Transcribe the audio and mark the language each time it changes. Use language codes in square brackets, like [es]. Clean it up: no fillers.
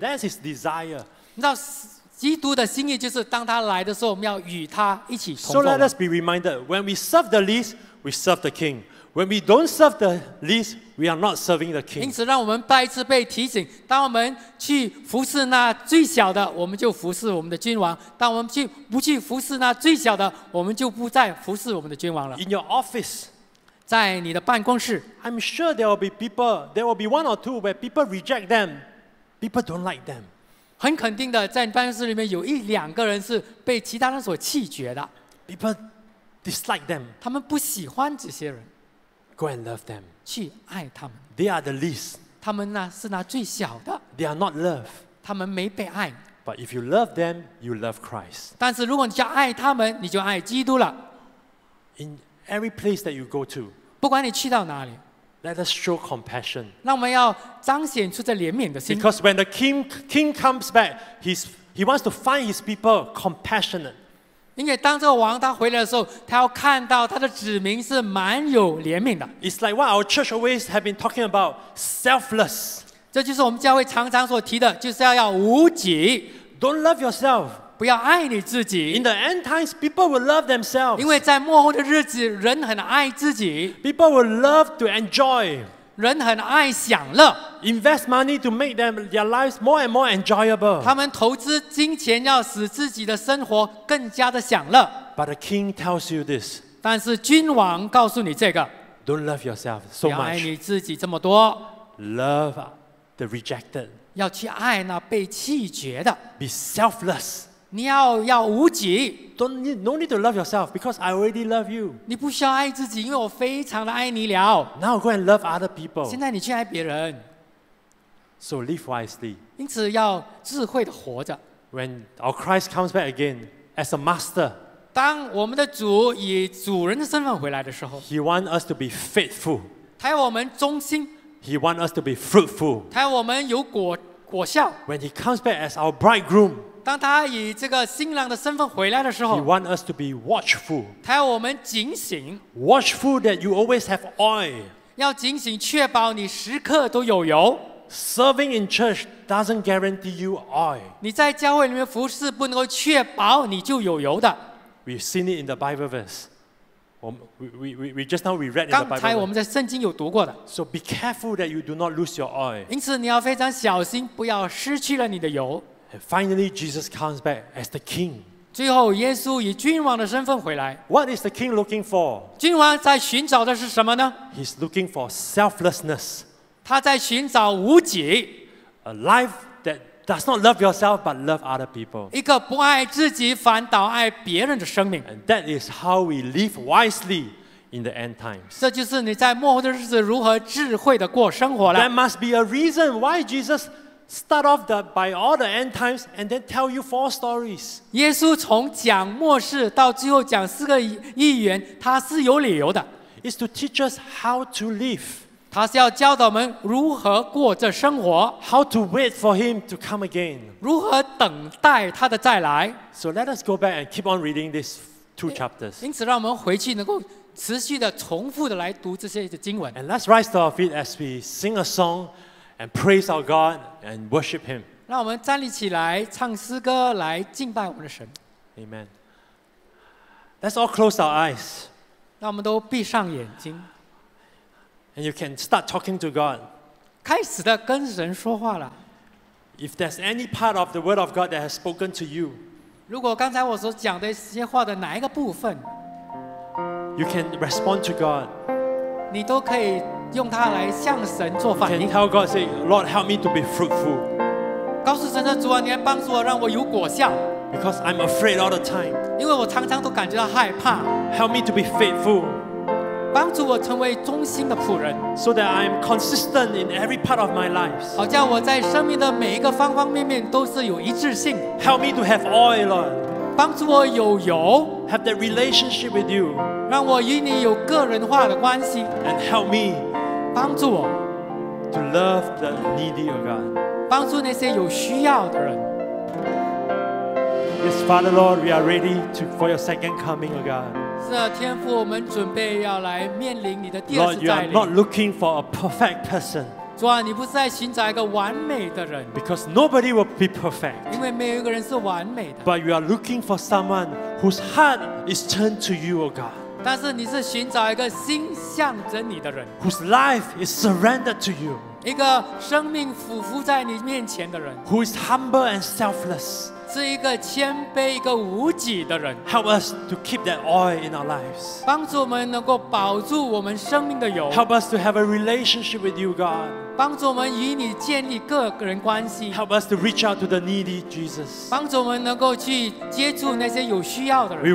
[en] That's His desire. [zh] 你知道，基督的心意就是当他来的时候，我们要与他一起同作王。 [en] So let us be reminded: when we serve the least, we serve the King. When we don't serve the least, we are not serving the king. [zh] 因此，让我们再一次被提醒：当我们去服侍那最小的，我们就服侍我们的君王；当我们不去服侍那最小的，我们就不再服侍我们的君王了。 [en] In your office, [zh] 在你的办公室 [en] ，I'm sure there will be people. There will be one or two where people reject them. People don't like them. [zh] 很肯定的，在你办公室里面有一两个人是被其他人所弃绝的。 [en] People dislike them. [zh] 他们不喜欢这些人。 [en] Go and love them. [zh] 去爱他们。 [en] They are the least. [zh] 他们那是那最小的。 [en] They are not loved. [zh] 他们没被爱。 [en] But if you love them, you love Christ. [zh] 但是如果你要爱他们，你就爱基督了。 [en] In every place that you go to, [zh] 不管你去到哪里 [en] ，Let us show compassion. [zh] 让我们要彰显出这怜悯的心。 [en] Because when the king comes back, he wants to find his people compassionate. [zh] 因为当这个王他回来的时候，他要看到他的子民是蛮有怜悯的。 [en] It's like what our church always have been talking about, selfless. [zh] 这就是我们教会常常所提的，就是要无己。 [en] Don't love yourself. [zh] 不要爱你自己。 [en] In the end times, people will love themselves. [zh] 因为在末后的日子，人很爱自己。 [en] People will love to enjoy. [zh] 人很爱享乐。 [en] Invest money to make them their lives more and more enjoyable. [zh] 他们投资金钱要使自己的生活更加的享乐。 [en] But the king tells you this. [zh] 但是君王告诉你这个。 [en] Don't love yourself so much. [zh] 要爱你自己这么多。 [en] Love the rejected. [zh] 要去爱那被弃绝的。 [en] Be selfless. [zh] 你 要无己。 [en] No need to love yourself because I already love you. [zh] 你不需要爱自己，因为我非常的爱你了。 [en] Now go and love other people. [zh] 现在你去爱别人。 [en] So live wisely. [zh] 因此要智慧的活着。 [en] When our Christ comes back again as a master. [zh] 当我们的主以主人的身份回来的时候。 [en] He wants us to be faithful. [zh] 他要我们忠心。 [en] He wants us to be fruitful. [zh] 他要我们有果效。 [en] When he comes back as our bridegroom. [zh] 当他以这个新郎的身份回来的时候 [en] He wants us to be watchful. [zh] 他要我们警醒 [en] Watchful that you always have oil. [zh] 要警醒确保你时刻都有油 [en] Serving in church doesn't guarantee you oil. [zh] 你在教会里面服事不能够确保你就有油的 [en] We've seen it in the Bible verse. We just now we read in the Bible verse. [zh] 刚才我们在圣经有读过的 [en] So be careful that you do not lose your oil. [zh] 因此你要非常小心不要失去了你的油 [en] And finally, Jesus comes back as the king. [zh] 最后，耶稣以君王的身份回来。 [en] What is the king looking for? [zh] 君王在寻找的是什么呢？ [en] He's looking for selflessness. [zh] 他在寻找无己。 [en] A life that does not love yourself but love other people. [zh] 一个不爱自己反倒爱别人的生命。 [en] And that is how we live wisely. In the end times. [zh] 这就是你在末后的日子如何智慧的过生活了。 [en] There must be a reason why Jesus start off by all the end times and then tell you four stories. [zh] 耶稣从讲末世到最后讲四个预言，他是有理由的。 [en] It's to teach us how to live. [zh] 他是要教导我们如何过这生活。 [en] How to wait for him to come again. [zh] 如何等待他的再来。 [en] So let us go back and keep on reading these two chapters. [zh] 因此让我们回去能够持续的重复的来读这些的经文。 [en] And let's rise to our feet as we sing a song and praise our God and worship Him. [zh] 让我们站立起来，唱诗歌来敬拜我们的神。 [en] Amen. Let's all close our eyes. [zh] 让我们都闭上眼睛。 [en] And you can start talking to God. [zh] 开始的跟神说话了。 [en] If there's any part of the Word of God that has spoken to you, [zh] 如果刚才我所讲的一些话的哪一个部分。 [en] You can respond to God. [zh] 你都可以用它来向神做反应。 [en] You can tell God, say, Lord, help me to be fruitful. [zh] 告诉神的主啊，你来帮助我，让我有果效。 [en] Because I'm afraid all the time. [zh] 因为我常常都感觉到害怕。 [en] Help me to be faithful. [zh] 帮助我成为忠心的仆人。 [en] So that I'm consistent in every part of my life. [zh] 好叫我在生命的每一个方方面面都是有一致性。 [en] Help me to have oil, Lord. [zh] 帮助我有油 [en] have that relationship with you [zh] 让我与你有个人化的关系 [en] and help me [zh] 帮助我 [en] to love the needy of God [zh] 帮助那些有需要的人 [en] Yes, Father Lord, we are ready to, for your second coming, O God [zh] 是啊，天父，我们准备要来面临你的第二次再临 [en] Lord, you are not looking for a perfect person [zh] 主啊，你不是在寻找一个完美的人 [en] because nobody will be perfect But you are looking for someone whose heart is turned to you, O God. [zh] 但是你是寻找一个心向着你的人 [en] Whose life is surrendered to you. [zh] 一个生命俯伏在你面前的人 [en] Who is humble and selfless. [zh] 是一个谦卑一个无己的人 [en] Help us to keep that oil in our lives. [zh] 帮助我们能够保住我们生命的油 [en] Help us to have a relationship with you, God. [zh] 帮助我们与你建立个人关系 [en] Help us to reach out to the needy, Jesus [zh] 帮助我们能够去接触那些有需要的人